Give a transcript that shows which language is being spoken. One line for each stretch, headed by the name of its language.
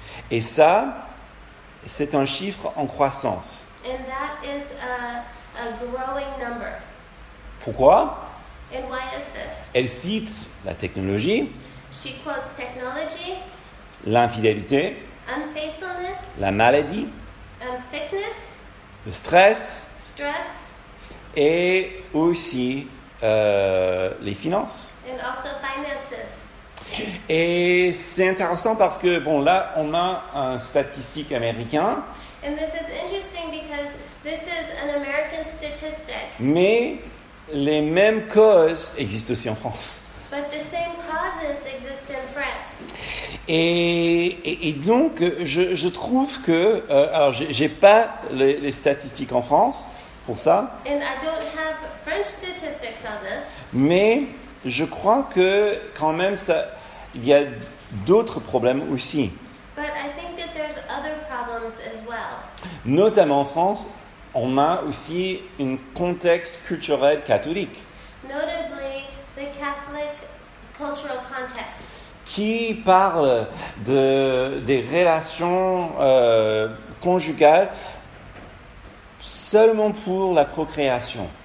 French: Et ça, c'est un chiffre en croissance.
English: And that is a growing number.
French: Pourquoi?
English: And why is this?
French: Elle cite la technologie,
English: she quotes technology,
French: l'infidélité,
English: unfaithfulness,
French: la maladie,
English: sickness,
French: le stress,
English: stress
French: et aussi les finances.
English: And also finances.
French: Et c'est intéressant parce que bon, là, on a un statistique américain.
English: And this is interesting because this is an American statistic.
French: Mais les mêmes causes existent aussi en France.
English: But the same causes exist in France.
French: Et donc, je trouve que... alors, j'ai pas les statistiques en France pour ça.
English: And I don't have French statistics on this.
French: Mais je crois que quand même, il y a d'autres problèmes aussi.
English: But I think that there's other problems as well.
French: Notamment en France, on a aussi un contexte culturel catholique.
English: Notably, the Catholic cultural context.
French: Qui parle des relations conjugales seulement pour la procréation.